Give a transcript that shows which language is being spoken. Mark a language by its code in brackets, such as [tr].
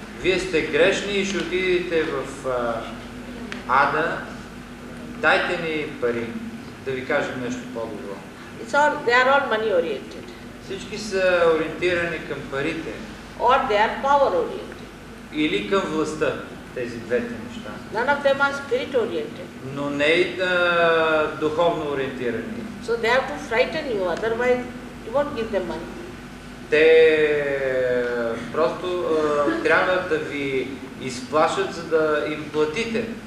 [bg] Вие сте грешни и ще отидете в Ада, дайте ни пари, да ви кажем нещо по-добро. [en] It's all, they are all money oriented. [bg] Всички са ориентирани към парите. [en] Or they are power oriented. [bg] Или към властта, тези двете неща. [en] None of them are spirit oriented. [bg] Но не и духовно ориентирани. [en] So they have to frighten you, otherwise you won't give them money. [bg] Те просто трябва да ви изплашат, за да им платите.